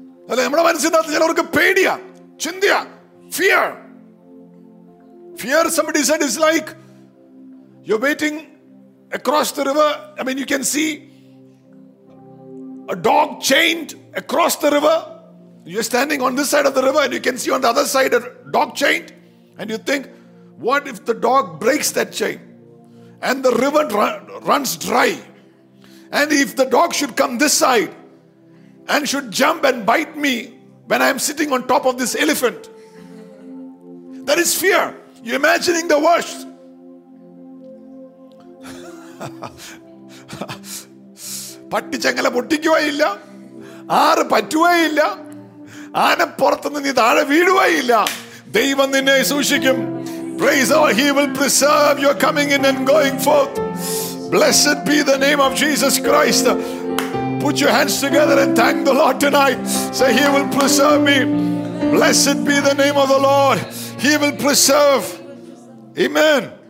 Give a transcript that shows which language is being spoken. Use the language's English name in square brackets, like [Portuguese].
[Malayalam] അല്ലെ, നമ്മുടെ മനസ്സിനകത്ത് ചിലർക്ക് പേടിയ ചിന്തിയ fear fear [English] somebody said is like you're waiting across the river. I mean, you can see a dog chained across the river. You're standing on this side of the river and you can see on the other side a dog chained, and you think, what if the dog breaks that chain and the river runs dry? And if the dog should come this side and should jump and bite me when I'm sitting on top of this elephant, that is fear. You're imagining the worst. [Malayalam] പട്ടിച്ചെങ്ങല പൊട്ടിക്കുകയില്ല, ആറ് പറ്റുകയില്ല, ആന പുറത്തുനിന്ന് നീ താഴെ വീഴുകയില്ല. ദൈവം നിന്നെ സൂക്ഷിക്കും. [English] Praise God, he will preserve your coming in and going forth. Blessed be the name of Jesus Christ. Put your hands together and thank the Lord tonight. Say, he will preserve me. Blessed be the name of the Lord. He will preserve. Amen.